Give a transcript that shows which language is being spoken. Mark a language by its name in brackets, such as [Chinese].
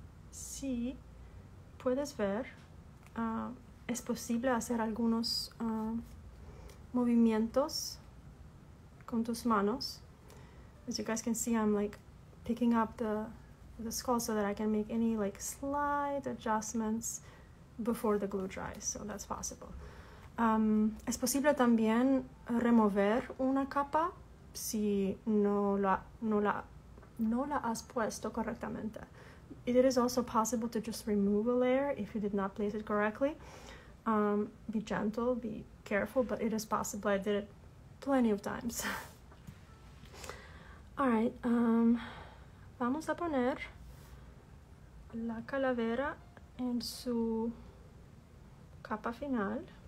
[Spanish] Sí, puedes ver, es posible hacer algunos movimientos con tus manos. [English] As you guys can see, I'm like picking up the skull so that I can make any like slight adjustments before the glue dries, so that's possible. [Spanish] Es posible también remover una capa si no la has puesto correctamente. [English] It is also possible to just remove a layer if you did not place it correctly. Be gentle, be careful, but it is possible. I did it plenty of times. All right, [Spanish] vamos a poner la calavera en su capa final.